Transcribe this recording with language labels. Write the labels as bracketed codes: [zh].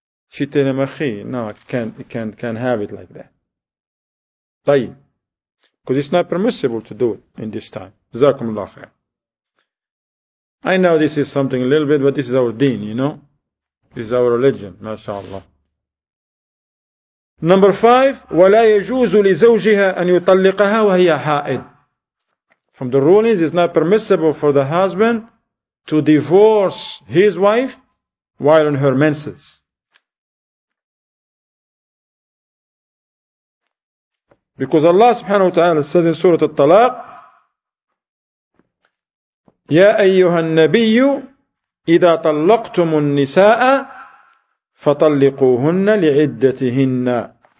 [en] She tell him, akhi, no, I can't have it like that. [ar] طيب. [en] Because it's not permissible to do it in this time. [ar] جزاكم الله خير. [en] I know this is something a little bit, but this is our deen, you know. This is our religion, mashallah. Number 5, [ar] وَلَا يَجُوزُ لِزَوْجِهَا أَنْ يُطَلِّقَهَا وَهِيَ حَائِدٌ. [en] From the rulings, it's not permissible for the husband to divorce his wife while on her menses. Because Allah subhanahu wa ta'ala says in Surah At-Talaq, [ar] يَا أَيُّهَا النَّبِيُّ إِذَا طَلَّقْتُمُ النِّسَاءَ فَطَلِّقُوهُنَّ لِعِدَّتِهِنَّ.